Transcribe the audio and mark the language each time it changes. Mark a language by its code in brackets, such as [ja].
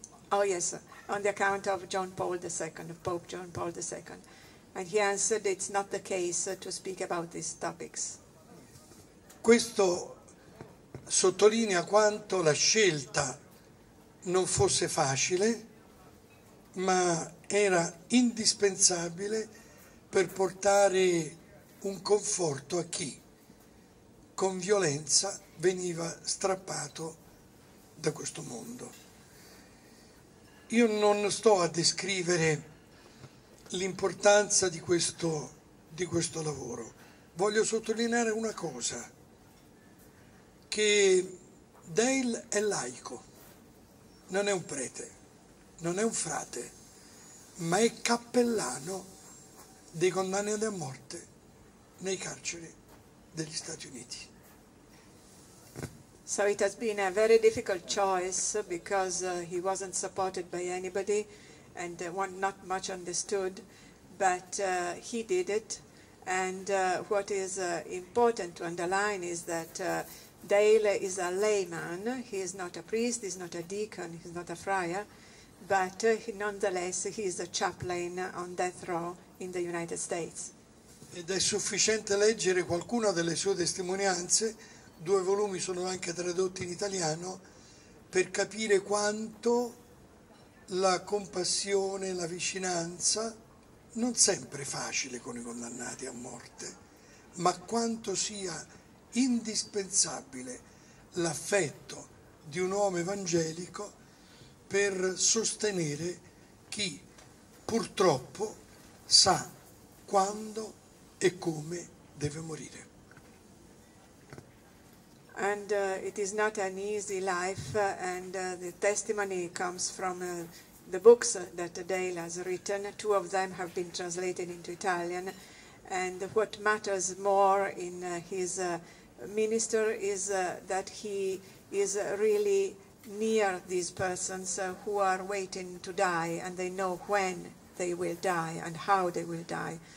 [en] Oh, yes, on the account of John Paul II, Pope John Paul II. And he answered, it's not the case to speak about these topics. [it] Questo sottolinea quanto la scelta non fosse facile, ma era indispensabile per portare un conforto a chi con violenza veniva strappato da questo mondo. Io non sto a descrivere l'importanza di questo lavoro. Voglio sottolineare una cosa, che Dale è laico, non è un prete, non è un frate, ma è cappellano dei condannati a morte nei carceri degli Stati Uniti. [en] So it has been a very difficult choice because he wasn't supported by anybody and one not much understood, but he did it. And what is important to underline is that Dale is a layman. He is not a priest, he's not a deacon, he's not a friar, but nonetheless he is a chaplain on death row in the United States. [it] Ed è sufficiente leggere qualcuna delle sue testimonianze, due volumi sono anche tradotti in italiano, per capire quanto la compassione, la vicinanza, non sempre facile con i condannati a morte, ma quanto sia indispensabile l'affetto di un uomo evangelico per sostenere chi purtroppo sa quando e come deve morire. [en] And it is not an easy life, and the testimony comes from the books that Dale has written. Two of them have been translated into Italian, and what matters more in his minister is that he is really near these persons who are waiting to die, and they know when they will die and how they will die.